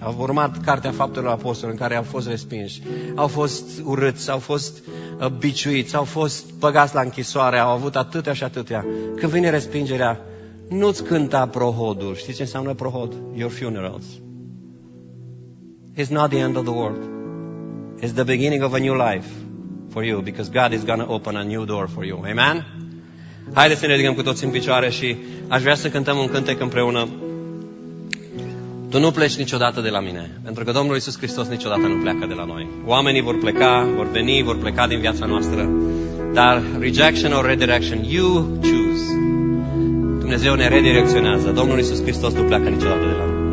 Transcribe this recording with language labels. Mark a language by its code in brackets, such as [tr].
[ro] Au urmat Cartea Faptelor Apostolilor, în care au fost respinși. Au fost urâți, au fost biciuiți, au fost băgați la închisoare, au avut atâtea și atâtea. Când vine respingerea, nu-ți cânta prohodul. Știi ce înseamnă prohod? [en] Your funerals. It's not the end of the world. It's the beginning of a new life for you, because God is gonna open a new door for you. Amen? [ro] Haideți să ne ridicăm cu toți în picioare și aș vrea să cântăm un cântec împreună. Tu nu pleci niciodată de la mine, pentru că Domnul Iisus Hristos niciodată nu pleacă de la noi. Oamenii vor pleca, vor veni, vor pleca din viața noastră. Dar [en] rejection or redirection, you choose. [ro] Dumnezeu ne redirecționează. Domnul Iisus Hristos nu pleacă niciodată de la noi.